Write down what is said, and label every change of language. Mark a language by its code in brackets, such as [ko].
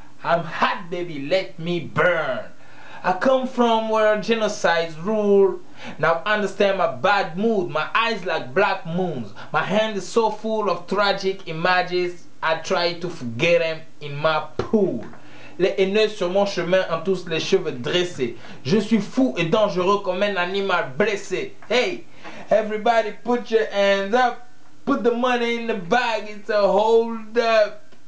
[en] I'm hot, baby. Let me burn. I come from where genocides rule. Now understand my bad mood. My eyes like black moons. My hand is so full of tragic images. I try to forget them in my pool. [fr] Les haineux sur mon chemin ont tous les cheveux dressés. Je suis fou et dangereux comme un animal blessé. [en] Hey, everybody put your hands up. Put the money in the bag, it's a hold up.